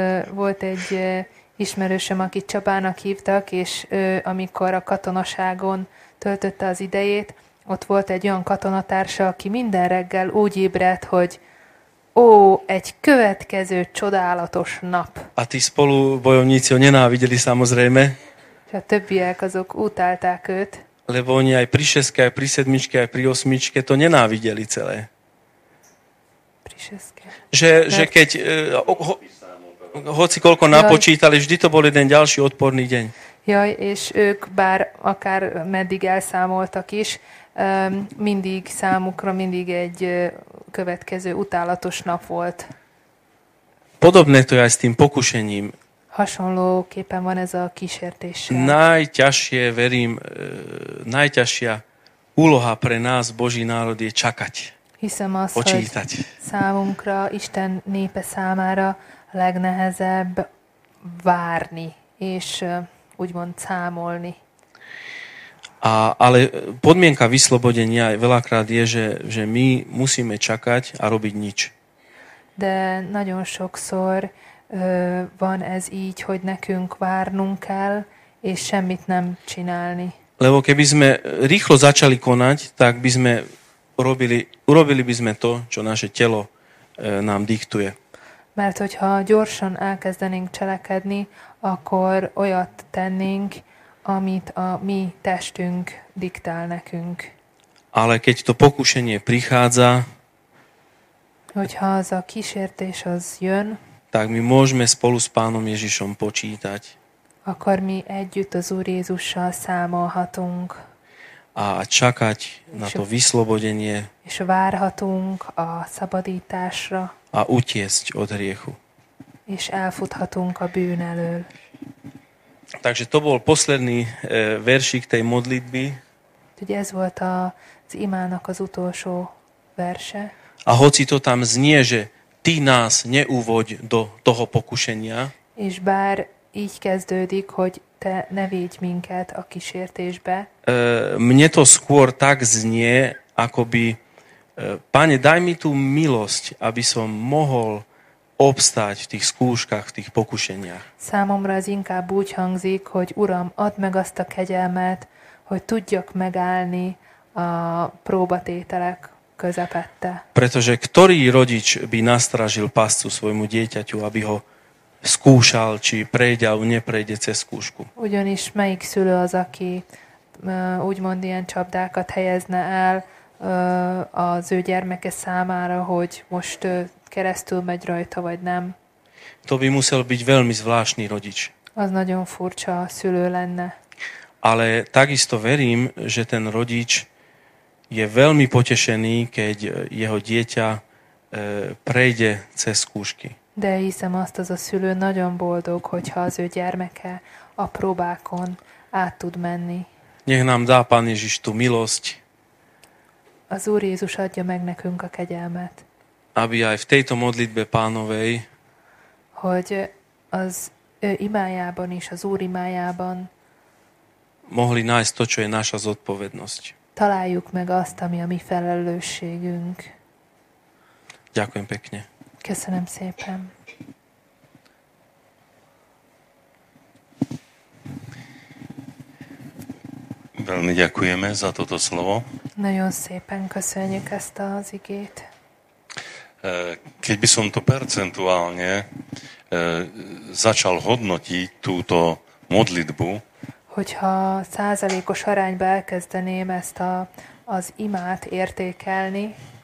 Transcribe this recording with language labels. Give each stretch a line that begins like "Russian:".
Hungarian: Volt egy ismerősöm, akit Csabának hívtak, és ő, amikor a katonaságon töltötte az idejét, ott volt egy olyan katonatársa, aki minden reggel úgy ébredt, hogy ó, egy következő csodálatos nap.
Slovak: A ti spolu bojovníci ho nenávideli samozrejme.
Hungarian: A többiek azok utálták őt.
Slovak: Lebo oni aj pri 6-ke, aj pri 7-ke, aj pri 8-ke to nenávideli celé. Pri 6-ke. Že keď... hoci koľko napočítali, vždy to bol jeden ďalší odporný deň.
Hungarian: Jaj, és ők bár akár meddig elszámoltak is, mindig számukra mindig egy következő utálatos nap volt.
Slovak: Podobné to je aj s tým pokušením.
Hungarian: Hasonlóképpen van ez a kísértéssel.
Slovak: Najťažšie, verím, najťažšia úloha pre nás, Boží národ, je čakať.
Hungarian: Hiszem azt,
Slovak: počítať.
Hungarian: Hogy számunkra, Isten népe számára legnehezebb várni, és úgymond számolni.
Slovak: Ale podmienka vyslobodenia veľakrát je, že my musíme čakať a robiť nič.
Hungarian: De nagyon sokszor van ez így, hogy nekünk várnunk kell, és semmit nem csinálni.
Slovak: Lebo keby sme rýchlo začali konať, tak by sme urobili by sme to, čo naše telo nám diktuje.
Hungarian: Mert hogyha gyorsan elkezdenénk cselekedni, akkor olyat tennénk, amit a mi testünk diktál nekünk.
Slovak: Ale keď to pokušenie prichádza,
Hungarian: hogyha az a kísértés az jön,
Slovak: tak my môžeme spolu s Pánom Ježišom počítať.
Hungarian: Akkor mi együtt az Úr Jézussal számolhatunk.
Slovak: A čakať na to vyslobodenie.
Hungarian: És várhatunk a szabadításra.
Slovak: A utiesť od hriechu.
Hungarian: És elfuthatunk a bűn elől.
Slovak: Takže to bol posledný veršik tej modlitby.
Hungarian: Ugye ez volt az imának az utolsó verse.
Slovak: A hoci to tam znie, že ty nás neuvoď do toho pokušenia.
Hungarian: És bár így kezdődik, hogy te ne védj minket a kísértésbe.
Slovak: Mne to skôr tak znie, akoby... Pane, daj mi tú milosť, aby som mohol obstáť v tých skúškach, v tých pokušeniach.
Hungarian: Számomra az inkább úgy hangzik, hogy Uram, add meg azt a kegyelmet, hogy tudjak megállni a próbatételek közepette.
Slovak: Pretože ktorý rodič by nastražil pascu svojmu dieťaťu, aby ho skúšal, či prejde alebo neprejde cez skúšku?
Hungarian: Ugyanis melyik szülő az, aki úgymond ilyen csapdákat helyezne el, az ő gyermeke számára, hogy most keresztül megy rajta, vagy nem.
Slovak: To by musel byť veľmi zvláštny rodič.
Hungarian: Az nagyon furcsa szülő lenne.
Slovak: Ale takisto verím, že ten rodič je veľmi potešený, keď jeho dieťa prejde cez skúšky.
Hungarian: De hiszem azt, az a szülő nagyon boldog, hogyha az ő gyermeke a próbákon át tud menni.
Slovak: Nech nám dá Pán Ježiš tú milosť.
Hungarian: Az Úr Jézus adja meg nekünk a kegyelmet.
Slovak: Aby aj v tejto modlitbe Pánovej,
Hungarian: hogy az ő imájában is, az Úr imájában
Slovak: mohli nájsť to, čo je naša zodpovednosť.
Hungarian: Találjuk meg azt, ami a mi felelősségünk.
Slovak: Ďakujem pekne.
Hungarian: Köszönöm szépen.
Slovak: Veľmi ďakujeme za toto slovo.
Hungarian: Nagyon szépen köszönjük ezt az igét.
Slovak: Keď by som to percentuálne začal hodnotiť túto modlitbu,
Hungarian: hogyha százalékos arányba elkezdeném ezt az imát értékelni,